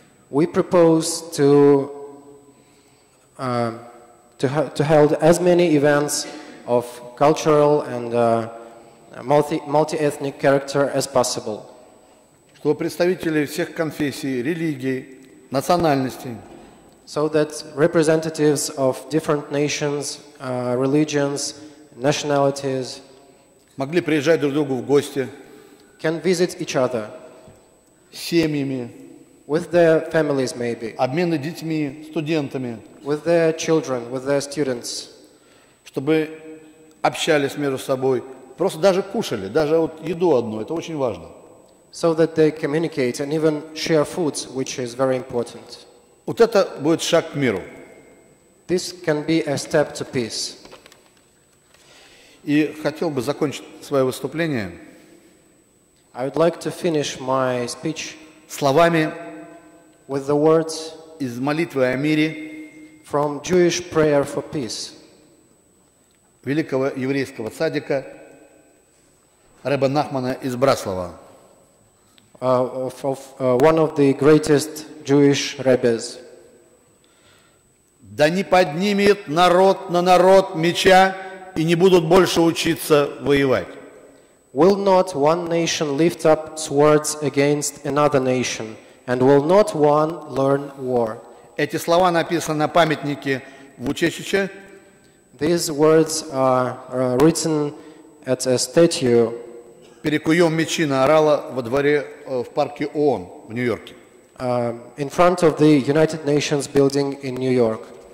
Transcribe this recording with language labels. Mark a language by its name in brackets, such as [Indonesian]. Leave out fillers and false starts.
[English] We propose to hold as many events of cultural and multi-ethnic character as possible. [Russian] Чтобы представители всех конфессий, религий, национальностей, [English] So that representatives of different nations, religions, nationalities [Russian] могли приезжать друг другу в гости, [English] can visit each other [Russian] семьями, [English] with their families maybe, [Russian] обмены детьми, студентами, [English] with their children, with their students, [Russian] чтобы общались между собой, просто даже кушали, даже вот еду одну, это очень важно. [English] So that they communicate and even share foods, which is very important. [Russian] Вот это будет шаг к миру. [English] This can be a step to peace. [Russian] И хотел бы закончить свое выступление [English] I would like to finish my speech [Russian] словами [English] with the words [Russian] из молитвы о мире [English] from Jewish prayer for peace. [Russian] Великого еврейского цадика Рэба Нахмана из Браслава. [English] One of the greatest Jewish rabbis. [Russian] Да не поднимет народ на народ меча и не будут больше учиться воевать. [English] Will not one nation lift up swords against another nation and will not one learn war? [Russian] Эти слова написаны на памятнике в Учечиче. [English] These words are written at a statue. [Russian] Перекуем мечи на орала во дворе в парке ООН в Нью-Йорке. [English] In front of the United Nations building in New York.